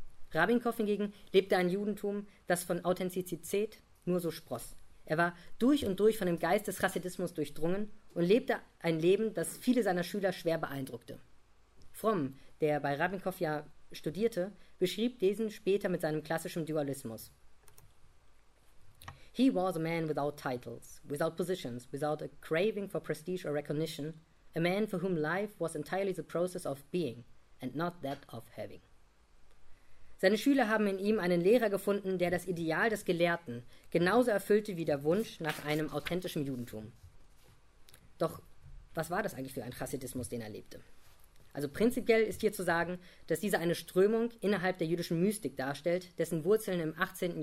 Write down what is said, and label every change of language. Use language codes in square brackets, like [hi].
[de] Rabinkow hingegen lebte ein Judentum, das von Authentizität nur so spross. Er war durch und durch von dem Geist des Chassidismus durchdrungen und lebte ein Leben, das viele seiner Schüler schwer beeindruckte. Fromm, der bei Rabinkow ja studierte, beschrieb diesen später mit seinem klassischen Dualismus. [en] He was a man without titles, without positions, without a craving for prestige or recognition, a man for whom life was entirely the process of being and not that of having. [de] Seine Schüler haben in ihm einen Lehrer gefunden, der das Ideal des Gelehrten genauso erfüllte wie der Wunsch nach einem authentischen Judentum. Doch was war das eigentlich für ein Chassidismus, den er lebte? Also prinzipiell ist hier zu sagen, dass diese eine Strömung innerhalb der jüdischen Mystik darstellt, dessen Wurzeln im 18.